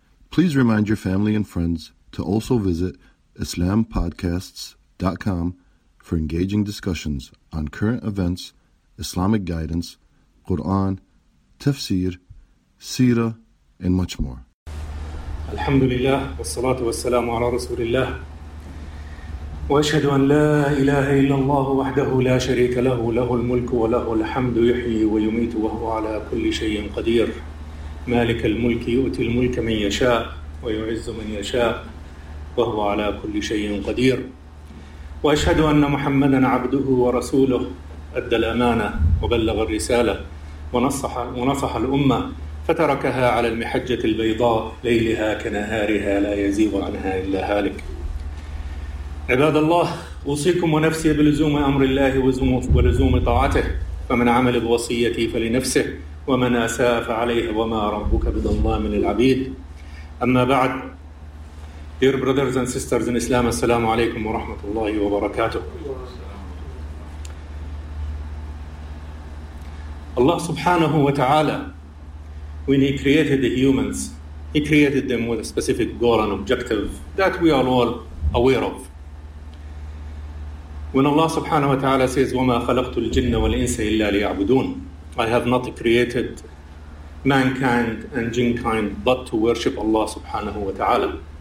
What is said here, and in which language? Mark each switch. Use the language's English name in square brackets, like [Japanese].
[English] Please remind your family and friends to also visit IslamPodcasts.com for engaging discussions on current events, Islamic guidance, Quran, tafsir, seerah, and much more. [Arabic] الحمد لله والصلاة والسلام على رسول الله وأشهد أن لا إله إلا الله وحده لا شريك له له الملك وله الحمد يحيي ويميت وهو على كل شيء قدير مالك الملك يؤتي الملك من يشاء ويعز من يشاء وهو على كل شيء قدير وأشهد أن محمدا عبده ورسوله أدى الأمانة وبلغ الرسالة ونصح الأمة فتركها على المحجة البيضاء ليلها كنهارها لا يزيغ عنها إلا هالك عباد الله أوصيكم ونفسي بلزوم أمر الله ولزوم طاعته فمن عمل بوصيتي فلنفسه ومن أساء فعليه وما ربك بظلام للعبيد أما بعد [English] Dear brothers and sisters in Islam, [Arabic] السلام عليكم ورحمة الله وبركاته. [English] Allah subhanahu wa ta'ala, when He created the humans, He created them with a specific goal and objective that we are all aware of. When Allah subhanahu wa ta'ala says, [Arabic] وَمَا خَلَقْتُ الْجِنَّ وَالْإِنسَ إِلَّا لِيَعْبُدُونَ, [English] I have not created mankind and jinnkind but to worship Allah subhanahu wa ta'ala.